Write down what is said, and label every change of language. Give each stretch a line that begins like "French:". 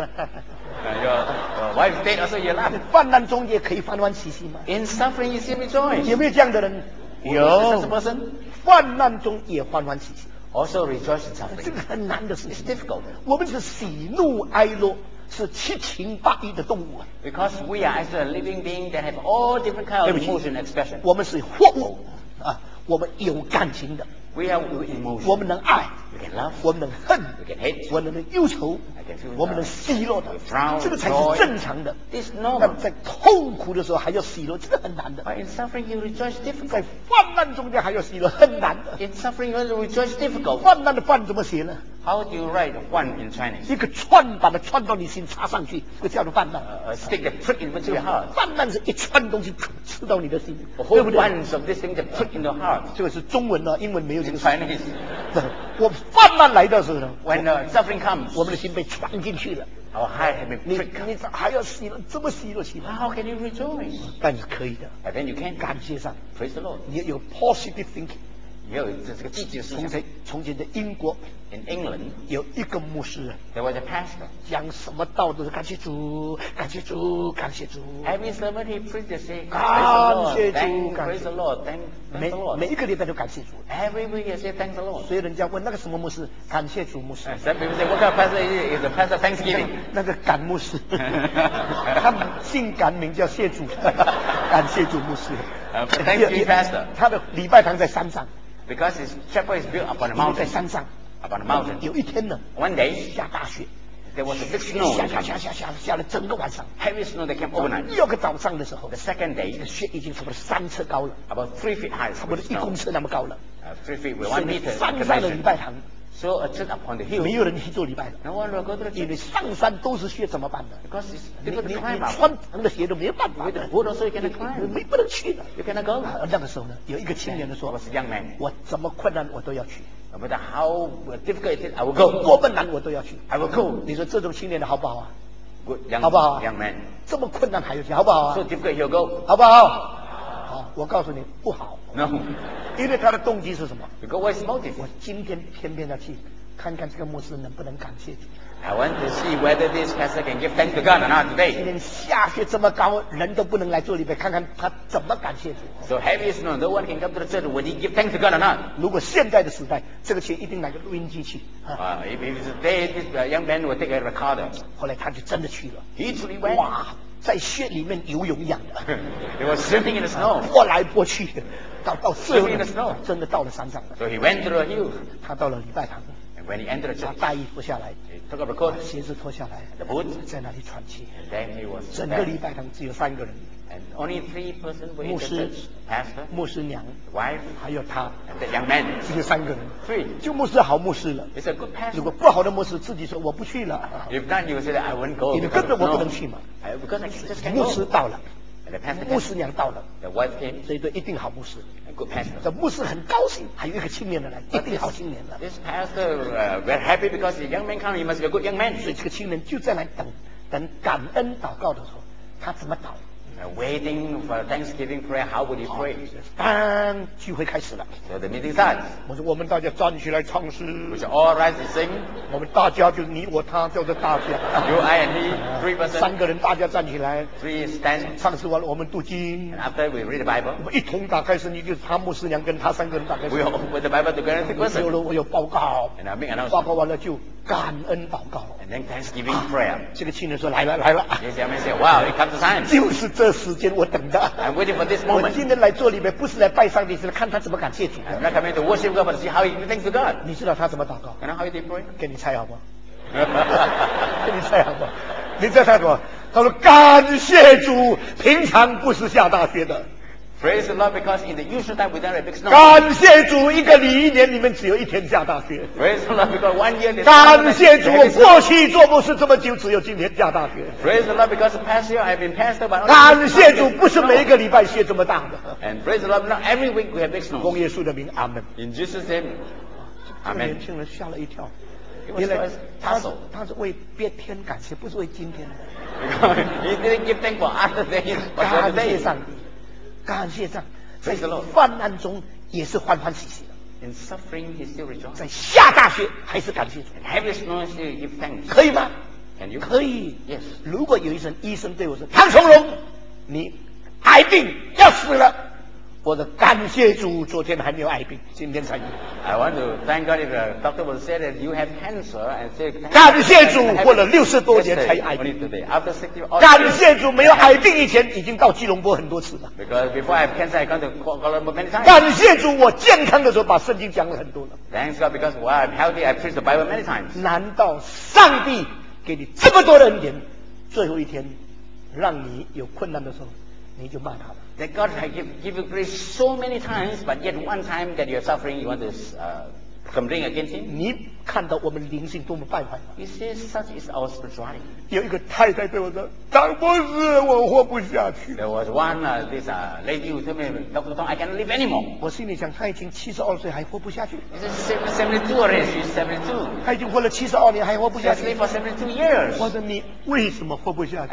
English: Your wife's dead also you laugh.
Chinese: 患难中也可以欢欢喜喜吗
English: In suffering you still rejoice.
Chinese: 有没有这样的人有
English: such a person?
Chinese: 患难中也欢欢喜喜
English: Also rejoice in suffering.
Chinese: 这个很难的事情
English: It's difficult.
Chinese: 我们是喜怒哀乐是七情八欲的动物
English: Because we are as a living being that have all different kinds of emotion expression.
Chinese: 我们是活物、我们有感情的
English: We have emotion.
Chinese: 我们能爱
English: We can love.
Chinese: 我们能恨
English: We can hate.
Chinese: 我们能忧愁
English: I can feel
Chinese: 我们能喜乐的
English: frown,
Chinese: 这个才是正常的
English: It's normal.
Chinese: 但在痛苦的时候还要喜乐这个很难的
English: But in suffering you rejoice difficult.
Chinese: 在患难中间还要喜乐很难的
English: In suffering you rejoice difficult.
Chinese: 患难的患怎么写呢
English: How do you write 患 in Chinese?
Chinese: 一个串把它串到你心插上去这叫做患难
English: Stick a prick into your heart.
Chinese: 患难是一串东西刺到你的心
English: A whole bunch of this thing that prick into your heart.
Chinese: 这个是中文啊英文没有这个
English: In Chinese.
Chinese: 我患难来的时候呢
English: When suffering comes
Chinese: 我们的心被穿进去了
English: Our heart has been tricked
Chinese: 你还要喜乐这么喜乐喜乐
English: How can you rejoice?
Chinese: 但是可以的
English: But then you can
Chinese: 感谢上
English: Praise the Lord
Chinese: 你有
English: positive thinking
Chinese: 也有这个寂静思想。从前的英国
English: ，in England，
Chinese: 有一个牧师
English: ，there was a pastor，
Chinese: 讲什么道都是感谢主，感谢主，感谢主。
English: Every sermon he preached say，
Chinese: 感谢主，感谢主。
English: Praise the Lord， thank the Lord。
Chinese: 每一个礼拜都感谢主。
English: Every week he say thank the Lord。
Chinese: 所以人家问那个什么牧师，感谢主牧师。
English: Some people say what kind of pastor is a pastor Thanksgiving？
Chinese: 那个感牧师，他姓感名叫谢主，感谢主牧师。
English: Thank you pastor。
Chinese: 他的礼拜堂在山上。
English: Because his chapel is built upon a mountain.
Chinese: 在山上。
English: Upon a mountain.
Chinese: 有一天呢。
English: One day.
Chinese: 下大雪。
English: There was a big snow.
Chinese: 下了整个晚上。
English: Heavy snow that came overnight.
Chinese: 第二个早上的时候。
English: The second day.
Chinese: 那个雪已经差不多三尺高了。
English: About 3 feet high.
Chinese: 差不多一公尺那么高了。
English: Three feet with 1 meter.
Chinese: 上山的礼拜堂。
English: So a church upon the hill.
Chinese: 没有人去做礼拜了。
English: No one will go to the church.
Chinese: 因为上山都是雪怎么办呢？
English: Because it's difficult to climb up.
Chinese: 你穿长的鞋都没有办法。
English: With the boot also you cannot climb.
Chinese: 你不能去了。
English: You cannot go.
Chinese: 那个时候呢，有一个青年的说，
English: I was a young man.
Chinese: 我怎么困难我都要去。
English: No matter how difficult it is, I will go.
Chinese: 多么难我都要去。
English: I will go.
Chinese: 你说这种青年的好不好啊？
English: Good young,
Chinese: 好不好？
English: Young man.
Chinese: 这么困难还要去，好不好啊？
English: So difficult, he'll go.
Chinese: 好不好？好，我告诉你不好。
English: No.
Chinese: 因为他的动机是什么？
English: Because what is motive?
Chinese: 我今天偏偏要去看看这个牧师能不能感谢主。
English: I want to see whether this pastor can give thanks to God or not today.
Chinese: 今天下雪这么高，人都不能来做礼拜，看看他怎么感谢主。
English: So heavy snow, no one can come to the church. Will he give thanks to God or not?
Chinese: 如果现在的时代，这个钱一定拿个录音机去。
English: If it's today, this young man will take a recorder.
Chinese: 后来他就真的去了。
English: He truly went.
Chinese: 哇，在雪里面游泳一样的。
English: He was swimming in the snow.
Chinese: 拨来拨去的。到最后呢，真的到了山上了。
English: So he went to the hill.
Chinese: 他到了礼拜堂。
English: And when he entered the church,
Chinese: 他大衣脱下来，
English: he took up the coat,
Chinese: 鞋子脱下来，
English: the boots,
Chinese: 在那里喘气。
English: And then he was
Chinese: 整个礼拜堂只有三个人。
English: And only three person were in the church, pastor,
Chinese: 牧师娘，
English: wife,
Chinese: 还有他，
English: and the young man,
Chinese: 只有三个人。
English: Three,
Chinese: 就牧师好牧师了。
English: It's a good pastor.
Chinese: 如果不好的牧师自己说我不去了。
English: If not, you said I won't go.
Chinese: 你跟着我不能去嘛。
English: Because I just can't go.
Chinese: 牧师到了。牧师娘到了
English: ，the wife came，
Chinese: 所以说一定好牧师
English: ，a good pastor。
Chinese: 这牧师很高兴，还有一个青年的来，一定好青年了。
English: This pastor very happy because the young man come, he must be a good young man。
Chinese: 所以这个青年就在那等，等感恩祷告的时候，他怎么祷
English: ？Waiting for Thanksgiving prayer, how would he pray？
Chinese: 当聚会开始了
English: ，so the meeting starts。
Chinese: 我说我们大家站起来唱诗
English: ，we shall all rise and sing。
Chinese: 我们大家就你我他叫做大家
English: ，you I and he。 Three person,
Chinese: 三个人大家站起来
English: three stand,
Chinese: 唱诗完了我们读经
English: after we read the Bible,
Chinese: 我们一同打开圣经就是他牧师娘跟他三个人打开圣经
English: with the Bible together,
Chinese: 有了我有报告
English: and I make announcement,
Chinese: 报告完了就感恩祷告
English: and then Thanksgiving prayer,
Chinese: 这个亲人说来了来了
English: this young man said, wow, it comes the time,
Chinese: 就是这时间我等的
English: I'm waiting for this moment,
Chinese: 我今天来做礼拜不是来拜上帝是来看他怎么感谢主
English: I'm not coming to worship God, but see how he thanks God,
Chinese: 你知道他怎么祷告
English: and how he did pray,
Chinese: 给你猜好吗给你猜好吗你在猜什么？他说：“感谢主，平常不是下大雪的。”
English: Praise the Lord because in the usual time we don't have big snow.
Chinese: 感谢主，一个礼一年里面只有一天下大雪。
English: Praise the Lord because one year.
Chinese: 感谢主，过去做牧师这么久，只有今天下大雪。
English: Praise the Lord because past year I've been pastor, but
Chinese: 感谢主，不是每一个礼拜雪这么大的。
English: And praise the Lord, not every week we have big snow.
Chinese: 奉耶稣的名，阿门。
English: In Jesus' name,
Chinese: 阿门。年轻人吓了一跳。原来他是为别天感谢，不是为今天的。
English: He didn't give thanks for other things, but for today.
Chinese: 感谢上帝，感谢上帝。
English: Praise the Lord.
Chinese: 患难中也是欢欢喜喜的。
English: In suffering, he still rejoices.
Chinese: 在下大雪还是感谢主。
English: Heavy snow, still give thanks.
Chinese: 可以吗？
English: Can you?
Chinese: 可以。
English: Yes.
Chinese: 如果有医生对我说：“唐崇荣，你癌病要死了。” 我的感谢主，昨天还没有癌病，今天才有。
English: I want to thank God if the doctor will say that you have cancer and say
Chinese: 感谢主，过了六十多年才有癌病。
English: After 60,
Chinese: 感谢主，没有癌病以前已经到吉隆坡很多次了。
English: Because before I have cancer, I gone to Kuala Lumpur many times.
Chinese: 感谢主，我健康的时候把圣经讲了很多了。
English: Thanks God because while I'm healthy, I preach the Bible many times.
Chinese: 难道上帝给你这么多的恩典，最后一天让你有困难的时候，你就骂他了？
English: That God has given grace so many times, but yet one time that you are suffering, you want to come ring against him.
Chinese: 你看到我们灵性多么败坏。
English: He says such is our spirituality.
Chinese: 有一个太太对我说，张博士，我活不下去。
English: There was one this lady who told me, Dr. Tong, I cannot live anymore.
Chinese: 我心里想，他已经七十二岁还活不下去。
English: He says 72 already, she's 72.
Chinese: 他已经活了七十二年还活不下去。
English: She has lived for 72 years.
Chinese: 我说你为什么活不下去？